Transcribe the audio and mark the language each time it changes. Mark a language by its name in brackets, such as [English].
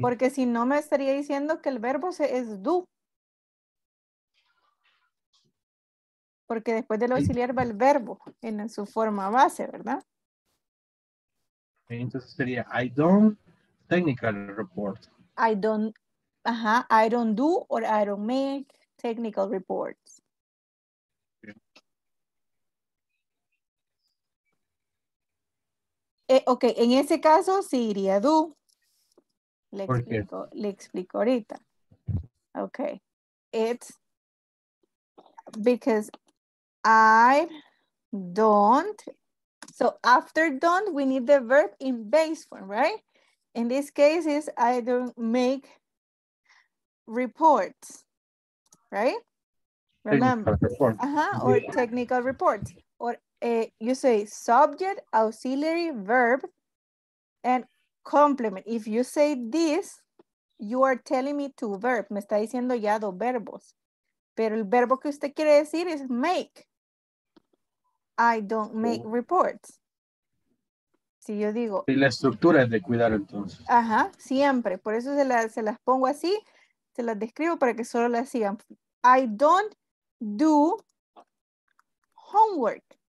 [Spanish] Porque si no me estaría diciendo que el verbo es do. Porque después del auxiliar va el verbo en su forma base, ¿verdad? Entonces sería, [English] I don't technical report. I don't, ajá, I don't do or I don't make technical reports. [Spanish] Ok, en ese caso sí iría do. Le explico ahorita. Ok. [English] It's because I don't. So after don't, we need the verb in base form, right? In this case is I don't make reports, right? Remember, technical reports. Or you say subject, auxiliary, verb, and complement. If you say this, You are telling me to verb. [Spanish] Me está diciendo ya dos verbos. Pero el verbo que usted quiere decir es make. [English] I don't make reports. [Spanish] Si yo digo. Y la estructura es de cuidar entonces. Ajá, siempre. Por eso se las pongo así. Se las describo para que solo las sigan. [English] I don't do homework.